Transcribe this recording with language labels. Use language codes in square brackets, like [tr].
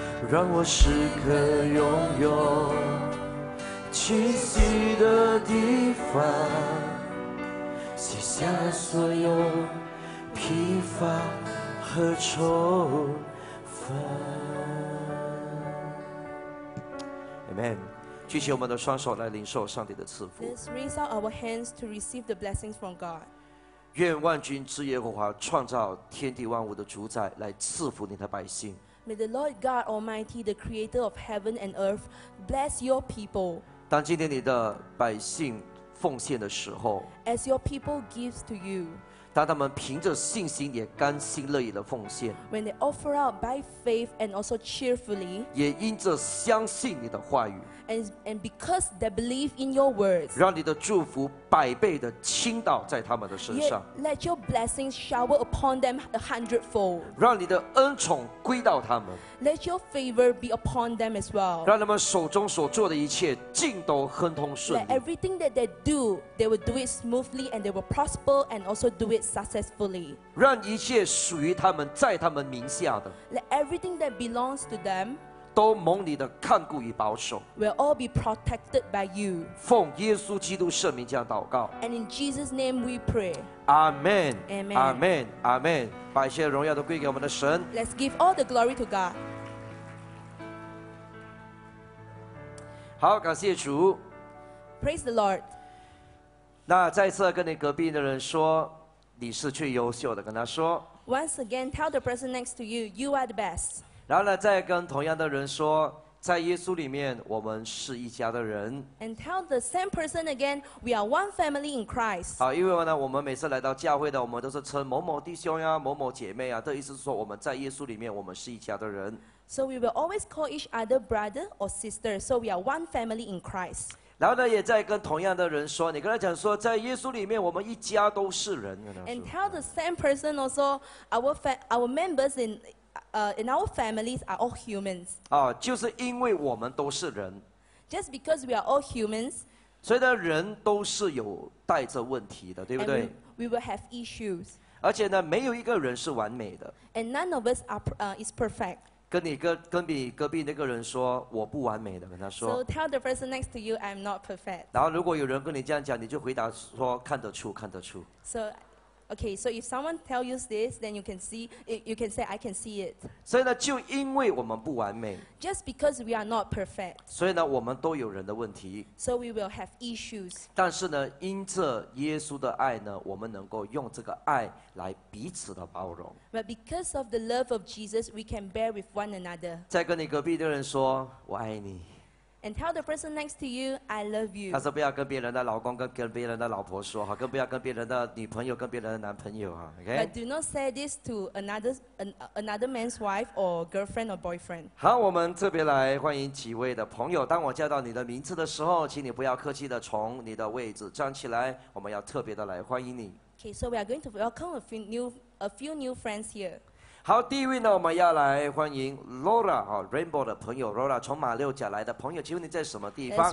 [zh] 让我时刻拥有栖息的地方，卸下所有疲乏和愁烦。 [en] Amen。 [zh] 举起我们的双手来领受上帝的赐福。 [en] Let's raise out our hands to receive the blessings from God。 [zh] 愿万军之耶和华创造天地万物的主宰来赐福你的百姓。 [en] May the Lord God Almighty, the Creator of heaven and earth, bless your people. [zh] 当今天你的百姓奉献的时候， [en] as your people gives to you, [zh] 当他们凭着信心也甘心乐意的奉献， [en] when they offer out by faith and also cheerfully, [zh] 也因着相信你的话语， [en] and because they believe in your words, [zh] 让你的祝福百倍的倾倒在他们的身上。 [en] Let your blessings shower upon them a hundredfold. [zh] 让你的恩宠归到他们。 [en] Let your favor be upon them as well. [zh] 让他们手中所做的一切尽都亨通顺利。 [en] Let everything that they do, they will do it smoothly and they will prosper and also do it successfully. [zh] 让一切属于他们在他们名下的， [en] Let everything that belongs to them. [zh] 都蒙你的看顾与保守。 [en] We'll all be protected by you. [zh] 奉耶稣基督圣名这样祷告。 [en] And in Jesus' name we pray. Amen. Amen. Amen. Amen. [zh] 把一切荣耀都归给我们的神。 [en] Let's give all the glory to God. [zh] 好，感谢主。 [en] Praise the Lord. [zh] 那再次跟你隔壁的人说，你是最优秀的，跟他说。 [en] Once again, tell the person next to you, you are the best. [zh] 然后呢，再跟同样的人说，在耶稣里面，我们是一家的人。 [en] And tell the same person again, we are one family in Christ. [zh] 好，因为呢，我们每次来到教会的，我们都是称某某弟兄呀、某某姐妹啊，的意思是说，我们在耶稣里面，我们是一家的人。 [en] So we will always call each other brother or sister. So we are one family in Christ. [zh] 然后呢，也再跟同样的人说，你跟他讲说，在耶稣里面，我们一家都是人。 [en] And tell the same person also, our members in. In our families are all humans. [zh] 啊，就是因为我们都是人。 [en] Just because we are all humans. [zh] 所以呢，人都是有带着问题的，对不对？ [en] We will have issues. [zh] 而且呢，没有一个人是完美的。 [en] And none of us are is perfect. [zh] 跟你隔壁那个人说，我不完美的，跟他说。 [en] So tell the person next to you, I'm not perfect. [zh] 然后如果有人跟你这样讲，你就回答说，看得出，看得出。 [en] So. Okay, so if someone tells you this, then you can see, you can say, I can see it. [zh] 所以呢，就因为我们不完美。 [en] Just because we are not perfect. [zh] 所以呢，我们都有人的问题。 [en] So we will have issues. [zh] 但是呢，因着耶稣的爱呢，我们能够用这个爱来彼此的包容。 [en] But because of the love of Jesus, we can bear with one another. [zh] 再跟你隔壁的人说，我爱你。 [en] And tell the person next to you, I love you. [zh] 他说不要跟别人的老公、跟别人的老婆说，更不要跟别人的女朋友、跟别人的男朋友。 [en] Okay? But do not say this to another man's wife or girlfriend or boyfriend. [zh] 好，我们特别来欢迎几位的朋友。当我叫到你的名字的时候，请你不要客气的从你的位置站起来，我们要特别的来欢迎你。 [en] Okay, so we are going to welcome a few new friends here. [zh] 好，第一位呢，我们要来欢迎 Laura 哈 ，Rainbow 的朋友 Laura， 从马六甲来的朋友，请问你在什么地方？